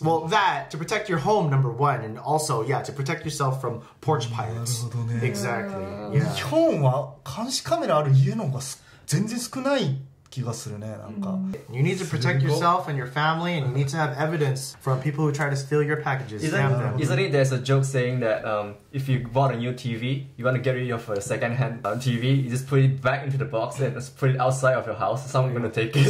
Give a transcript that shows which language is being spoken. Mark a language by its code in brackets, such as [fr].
[en] Well, that, to protect your home, number one, and also, to protect yourself from porch pirates. Exactly. [ja] Yeah. 日本は監視カメラある家の方が全然少ない。気がするね、なんか。 [en] You need to protect yourself and your family, and you need to have evidence from people who try to steal your packages. Isn't it there's a joke saying that if you bought a new TV, you want to get rid of a second-hand TV, you just put it back into the box and just put it outside of your house, someone's gonna take it.